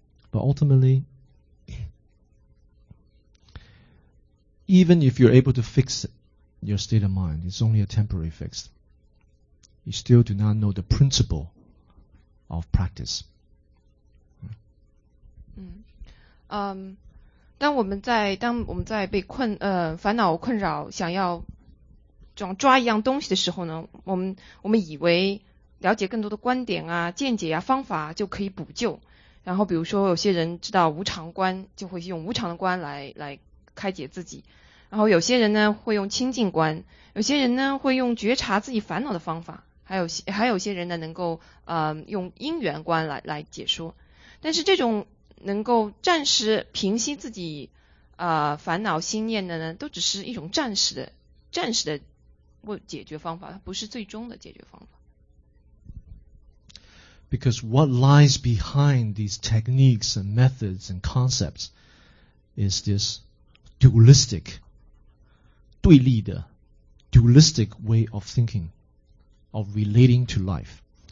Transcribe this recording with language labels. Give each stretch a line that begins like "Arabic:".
English: But ultimately,even if you're able to fix your state of mind, it's only a temporary fix. You still do not know the principle of practice.
Chinese: 当我们在被困烦恼困扰，想要抓一样东西的时候呢，我们以为了解更多的观点啊、见解啊、方法就可以补救。然后比如说有些人知道无常观，就会用无常的观来开解自己。然后有些人呢会用清净观，有些人呢会用觉察自己烦恼的方法，还有些人呢能够用因缘观来解说。但是这种能够暂时平息自己烦恼心念的呢，都只是一种暂时的解决方法，它不是最终的解决方法。
English: Because what lies behind these techniques and methods and concepts is this dualistic.
Chinese: 对立的
English: dualistic way of thinking, of relating to life.